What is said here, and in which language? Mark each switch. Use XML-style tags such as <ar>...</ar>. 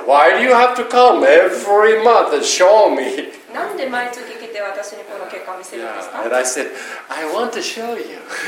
<en>Why do you have to come every month and show me?</en> <ja>なんで毎月来て私にこの結果を見せるんですか。</ja> <en>Yeah, and I said, I want to show you.</en>